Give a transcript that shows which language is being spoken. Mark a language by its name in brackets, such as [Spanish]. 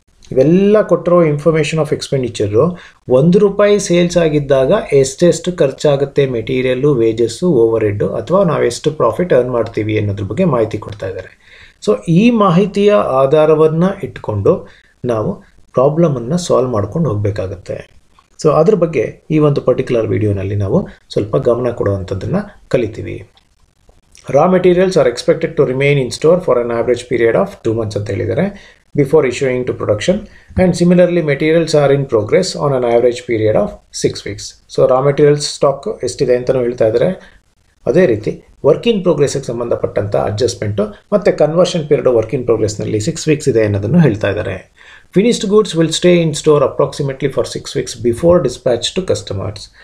[Kannada] ಇವೆಲ್ಲ ಕೊಟ್ಟಿರೋ information of expenditure, 1 ರೂಪಾಯಿ ಸೇಲ್ಸ್ ಆಗಿದ್ದಾಗ ಎಷ್ಟೆಷ್ಟು ಖರ್ಚಾಗುತ್ತೆ ಮೆಟೀರಿಯಲ್ಲು, ವೇಜಸ್ಸು, ಓವರ್ ಹೆಡ್ಡು, ಅಥವಾ ನಾವೆಷ್ಟು ಪ್ರಾಫಿಟ್ ಅರ್ನ್ ಮಾಡ್ತೀವಿ ಅನ್ನೋದ್ರ ಬಗ್ಗೆ ಮಾಹಿತಿ ಕೊಡ್ತಾ ಇದ್ದಾರೆ. ಸೊ ಈ ಮಾಹಿತಿಯ ಆಧಾರವನ್ನು ಇಟ್ಕೊಂಡು ನಾವು ಪ್ರಾಬ್ಲಮನ್ನು ಸಾಲ್ವ್ ಮಾಡ್ಕೊಂಡು ಹೋಗಬೇಕಾಗತ್ತೆ. ಸೊ ಅದ್ರ ಬಗ್ಗೆ ಈ ಒಂದು ಪರ್ಟಿಕ್ಯುಲರ್ ವೀಡಿಯೋನಲ್ಲಿ ನಾವು ಸ್ವಲ್ಪ ಗಮನ ಕೊಡುವಂಥದ್ದನ್ನು ಕಲಿತೀವಿ. [English] Raw materials are expected to remain in store for an average period of 2 months [Kannada] ಅಂತ ಹೇಳಿದ್ದಾರೆ, [English] Before issuing to production. And similarly materials are in progress on an average period of 6 weeks. [Kannada] So raw materials stock ಎಷ್ಟಿದೆ ಅಂತಲೂ ಹೇಳ್ತಾ ಇದ್ದಾರೆ. ಅದೇ ರೀತಿ work in ಪ್ರೋಗ್ರೆಸ್ಗೆ ಸಂಬಂಧಪಟ್ಟಂಥ adjustment ಮತ್ತು conversion period work in ಪ್ರೋಗ್ರೆಸ್ನಲ್ಲಿ 6 weeks ಇದೆ ಅನ್ನೋದನ್ನು ಹೇಳ್ತಾ ಇದ್ದಾರೆ. [English] Finished goods will stay in store approximately for 6 weeks before dispatch to customers.